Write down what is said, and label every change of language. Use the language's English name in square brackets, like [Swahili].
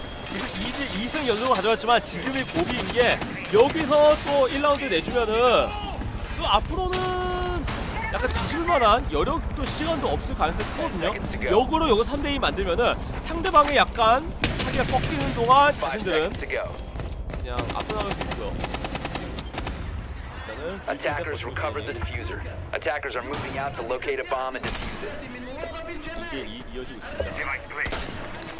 [Korean] 지금 2승 연속을 가져왔지만 지금이 고비인 게 여기서 또 1라운드 내주면은 또 앞으로는 약간 뒤질만한 여력도 시간도 없을 가능성이 크거든요. 역으로 여기 3대2 만들면은 상대방이 약간 사기가 꺾이는 동안 자신들은 그냥 앞서 나갈 수 있고요. [English] Attackers recover the diffuser. Attackers are moving out to locate a bomb and defuse it. [Korean] 이게 이어지고 있습니다.